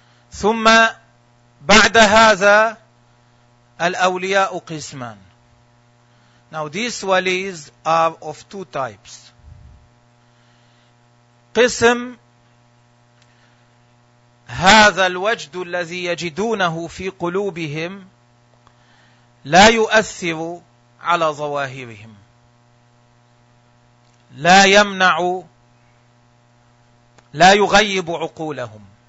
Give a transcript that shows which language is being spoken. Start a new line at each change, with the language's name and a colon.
Arabic: ثم بعد هذا الأولياء قسمان.
English: Now these walis are of two types.
Arabic: قسم هذا الوجد الذي يجدونه في قلوبهم لا يؤثر على ظواهرهم, لا يمنع, لا يغيب عقولهم.